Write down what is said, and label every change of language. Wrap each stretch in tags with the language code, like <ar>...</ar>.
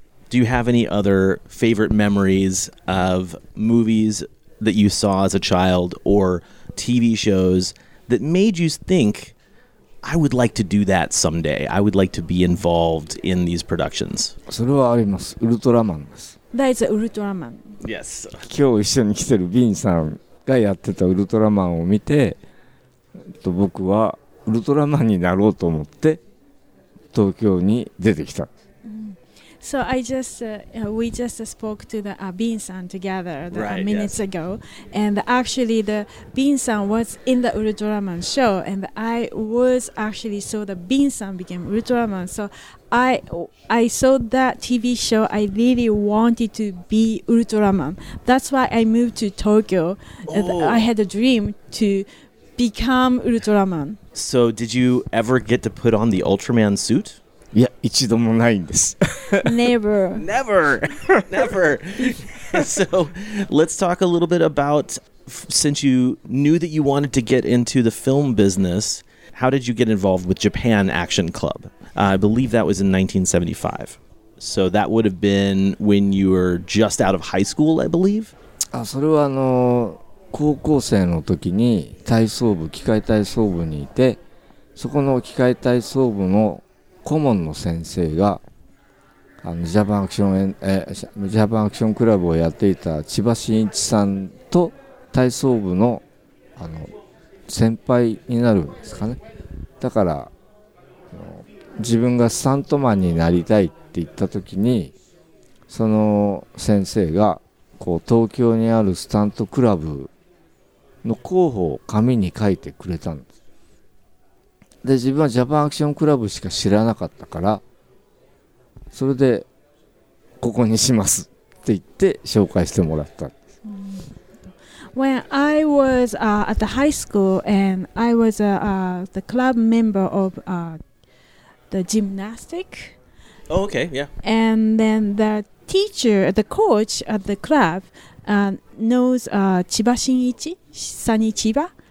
<en>Do you have any other favorite memories of movies that you saw as a child or TV shows that made you think, I would like to do that someday, I would like to be involved in these productions?</en> <ja>それはあります。ウルトラマンです。</ja> <en>That is ウルトラマン。 Yes.</en> <ja>今日一緒に来てるビンさんがやってたウルトラマンを見て、僕はウルトラマンになろうと思って東京に出てきた。</ja> <en>So I just we just spoke to the Bean-san together minutes ago, and actually the Bean-san was in the Ultraman show, and I was actually saw the Bean-san became Ultraman. So I saw that TV show. I really wanted to be Ultraman. That's why I moved to Tokyo. Oh. I had a dream to become Ultraman. So did you ever get to put on the Ultraman suit?</en> <ja>いや、一度もないんです。</ja> <en>Never. Never. Never. So, let's talk a little bit about, since you knew that you wanted to get into the film business, how did you get involved with Japan Action Club? I believe that was in 1975. So that would have been when you were just out of high school, I believe?</en> <ja>それは高校生の時に体操部、機械体操部にいて、そこの機械体操部の顧問の先生がジャパンアクションジャパンアクションクラブをやっていた千葉真一さんと体操部の先輩になるんですかね。だから自分がスタントマンになりたいって言った時に、その先生がこう東京にあるスタントクラブの候補を紙に書いてくれたんです。で自分はジャパンアクションクラブしか知らなかったから、それでここにしますって言って紹介してもらったんです。</ja> <en>When I was at the high school and I was the club member of the gymnastic. Oh, okay, yeah. And then the teacher, the coach at the club knows Chiba Shinichi, Sunny Chiba.</en>